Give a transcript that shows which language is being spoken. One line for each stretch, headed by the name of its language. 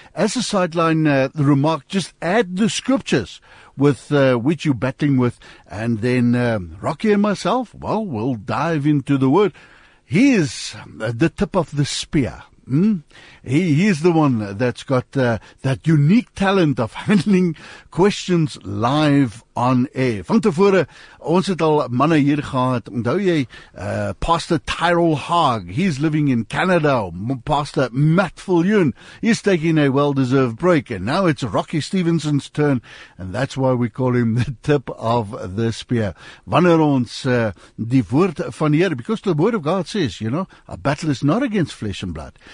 English: As a sideline the remark, just add the scriptures with which you're battling with. And then Rocky and myself, well, we'll dive into the Word. He is the tip of the spear. He is the one that's got that unique talent of handling questions live on air.
Afrikaans: Van tevore, ons het al manne hier gehad. Onthou jy,
English: Pastor Tyrell Haag, he's living in Canada. Pastor Matt Fuljoen, he's taking a well-deserved break. And now it's Rocky Stevenson's turn, and that's why we call him the tip of the spear.
Afrikaans: Wanneer ons die woord van Here,
English: because the Word of God says, you know, a battle is not against flesh and blood.